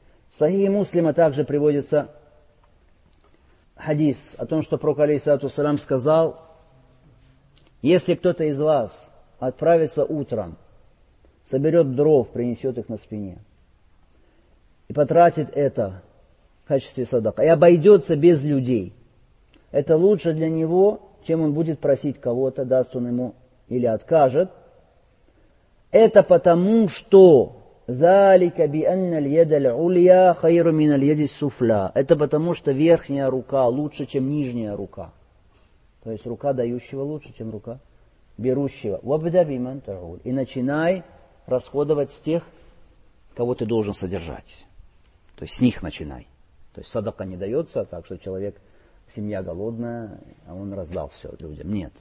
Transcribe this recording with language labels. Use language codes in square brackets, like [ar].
[ru] В Сахихе Муслима также приводится хадис о том, что пророк, алейхиссалату вассалям, сказал, если кто-то из вас отправится утром, соберет дров, принесет их на спине и потратит это в качестве садака, и обойдется без людей, это лучше для него, чем он будет просить кого-то, даст он ему или откажет. Это потому, что [ar] ذَلِكَ بِأَنَّ الْيَدَ الْعُلْيَا خَيْرُ مِنَ الْيَدِ السُّفْلَى. [ru] Это потому, что верхняя рука лучше, чем нижняя рука. То есть рука дающего лучше, чем рука берущего. [ar] وَبْدَ بِمَنْ تَعُولِ. [ru] И начинай расходовать с тех, кого ты должен содержать. То есть с них начинай. То есть садака не дается, так что человек, семья голодная, а он раздал все людям. Нет.